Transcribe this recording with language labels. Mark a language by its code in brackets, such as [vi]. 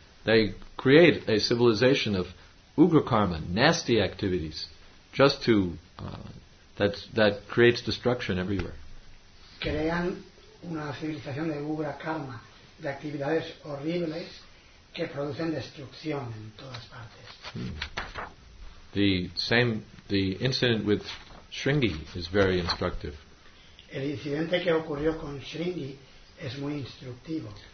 [en] They create a civilization of ugra karma, nasty activities, just to that creates destruction everywhere. [es] Crean una civilización de ugra karma, de actividades horribles que producen destrucción en todas partes. [en] The incident with Sringi is very instructive. [es] El incidente que ocurrió con Sringi es muy instructivo.